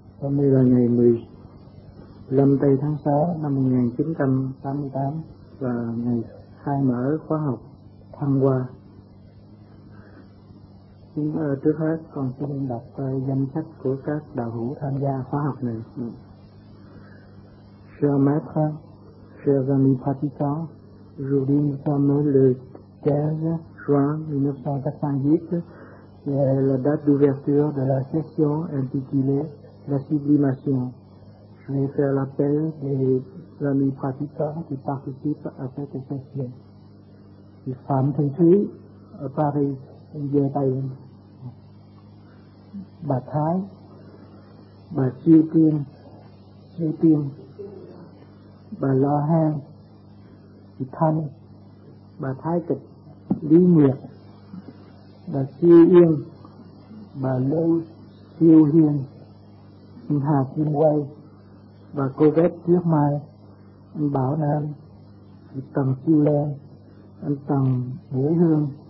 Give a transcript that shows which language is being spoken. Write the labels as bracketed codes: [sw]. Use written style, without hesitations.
[vi] hôm nay là ngày 15 tây tháng 6 năm 1988 và ngày khai mở khóa học Thăng Hoa. Trước hết con xin đọc danh sách của các đạo hữu tham gia khóa học này. [fr] Cher maître, chers amis pratiquants, je vous dis nous sommes le 15 juin 1988. C'est la date d'ouverture de la session intitulée « La sublimation ». Je vais faire l'appel des amis pratiquants qui participent à cette session. Les femmes sont ici à Paris, en Guyane. [vi] Bà Thái, bà Siêu Tiên, Siêu Tiên, bà Lo Hang, bà Thanh, bà Thái Kịch, Lý Nguyệt, bà Siêu Yên, bà Lâu Siêu Hiên, Hà Kim Quay, bà Cô Vết Trước Mai, anh Bảo Nam, bà Tầng Siêu Lan, anh Tầng Vũ Hương,